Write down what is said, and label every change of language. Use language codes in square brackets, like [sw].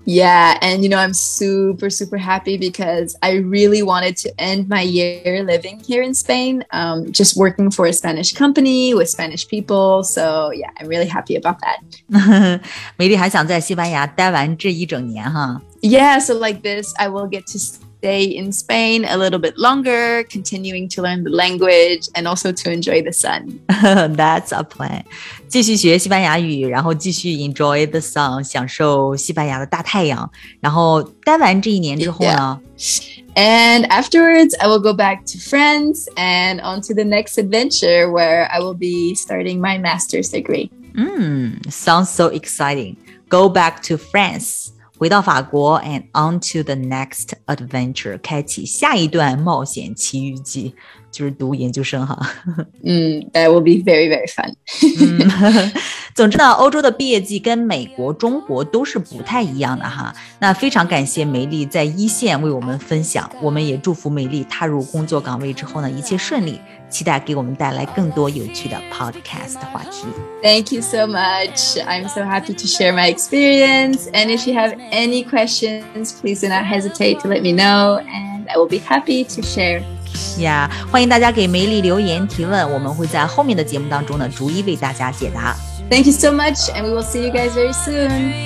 [en] Yeah, and you know, I'm super, super happy because I really wanted to end my year living here in Spain, just working for a Spanish company with Spanish people. So yeah, I'm really happy about that. [zh] 美丽还想在西班牙待完这一整年哈。 [en] Yeah, so like this, I will get to stay in Spain a little bit longer, continuing to learn the language and also to enjoy the sun. That's a plan. [zh] 继续学西班牙语，然后继续 [en] enjoy the sun, [zh] 享受西班牙的大太阳。然后待完这一年之后呢？ [en] Yeah. And afterwards, I will go back to France and on to the next adventure where I will be starting my master's degree. Sounds so exciting. Go back to France. [zh] 回到法国 [en] and on to the next adventure, [zh] 开启下一段冒险奇遇记，就是读研究生哈。 [en] That will be very, very fun. [zh] 总之呢，欧洲的毕业季跟美国、中国都是不太一样的哈。那非常感谢梅丽在一线为我们分享，我们也祝福梅丽踏入工作岗位之后呢，一切顺利，期待给我们带来更多有趣的 podcast 话题。 [en] Thank you so much. I'm so happy to share my experience. And if you have any questions, please do not hesitate to let me know. And I will be happy to share. [zh] Yeah, 欢迎大家给梅丽留言提问，我们会在后面的节目当中呢逐一为大家解答。 [en] Thank you so much, and we will see you guys very soon.